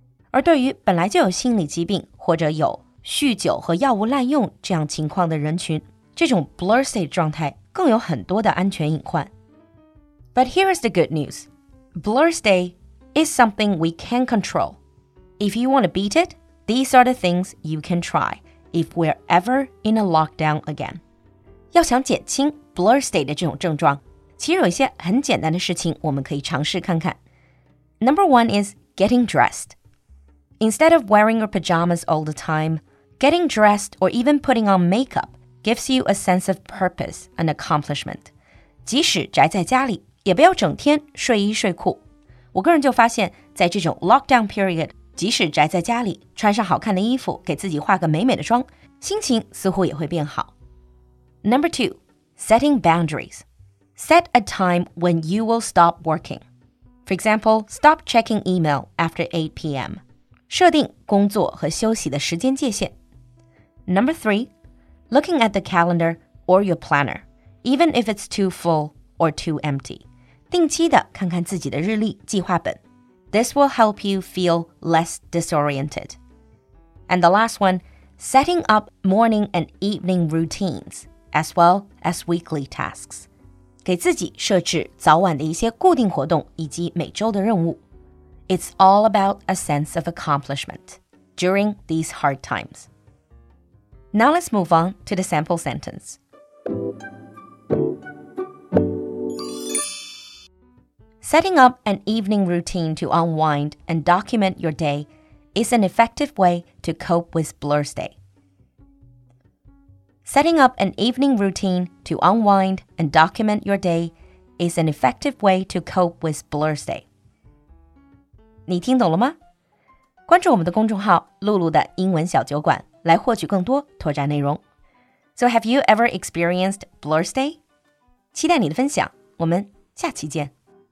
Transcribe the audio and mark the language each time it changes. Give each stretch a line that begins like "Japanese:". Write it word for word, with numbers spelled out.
Chinese: 而对于本来就有心理疾病或者有酗酒和药物滥用这样情况的人群，这种 blur state 状态更有很多的安全隐患。
English: But here is the good news. Blur state is something we can control. If you want to beat it, these are the things you can try. If we're ever in a lockdown again.
Chinese: 要想减轻 blur state 的这种症状，其实有一些很简单的事情我们可以尝试看看。
English: Number one is getting dressed. Instead of wearing your pajamas all the time, getting dressed or even putting on makeup gives you a sense of purpose and accomplishment.
Chinese: 即使宅在家里，也不要整天睡衣睡裤。我个人就发现，在这种
English: lockdown period,
Chinese: 即使宅在家里，穿上好看的衣服，给自己化个美美的妆，心情似乎也会变好。
English: Number two, setting boundaries. Set a time when you will stop working. For example, stop checking email after eight p.m.
Chinese: 设定工作和休息的时间界限。
English: Number three, looking at the calendar or your planner, even if it's too full or too empty.
Chinese: 定期的看看自己的日历、计划本。
English: This will help you feel less disoriented. And the last one, setting up morning and evening routines, as well as weekly tasks.
Chinese: 给自己设置早晚的一些固定活动以及每周的任务。
English: It's all about a sense of accomplishment during these hard times. Now let's move on to the sample sentence. Setting up an evening routine to unwind and document your day is an effective way to cope with blur state. Setting up an evening routine to unwind and document your day is an effective way to cope with blur state.
Chinese: 你听懂了吗？关注我们的公众号“露露的英文小酒馆”来获取更多拓展内容。
English: So have you ever experienced blur state?
Chinese: 期待你的分享，我们下期见。